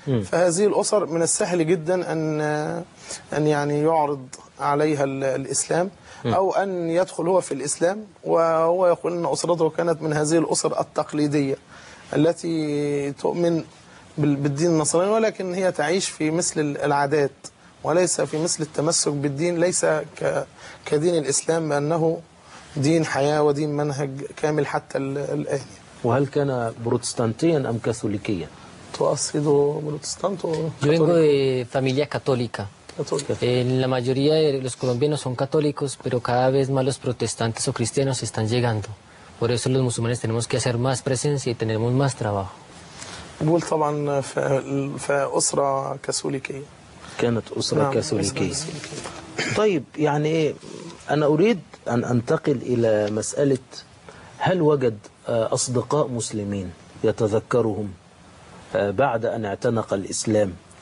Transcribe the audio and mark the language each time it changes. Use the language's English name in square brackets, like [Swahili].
[Arabic] فهذه الأسر من السهل جدا أن يعني يعرض عليها الإسلام أو أن يدخل هو في الإسلام، وهو يقول أن أسرته كانت من هذه الأسر التقليدية التي تؤمن بالدين النصراني، ولكن هي تعيش في مثل العادات وليس في مثل التمسك بالدين، ليس كدين الإسلام بأنه دين حياة ودين منهج كامل حتى الآن. وهل كان بروتستانتيا أم كاثوليكيا؟ تقصد بروتستانت [Spanish] Yo vengo de familia católica. La mayoría de los colombianos son católicos, pero cada vez más los protestantes o cristianos están llegando. Por eso los musulmanes tenemos que hacer más presencia y tenemos más trabajo. [Arabic] بقول طبعا في أسرة كاثوليكية. كانت أسرة كاثوليكية. طيب يعني أنا أريد أن أنتقل إلى مسألة، هل وجد أصدقاء مسلمين يتذكرهم بعد أن اعتنق الإسلام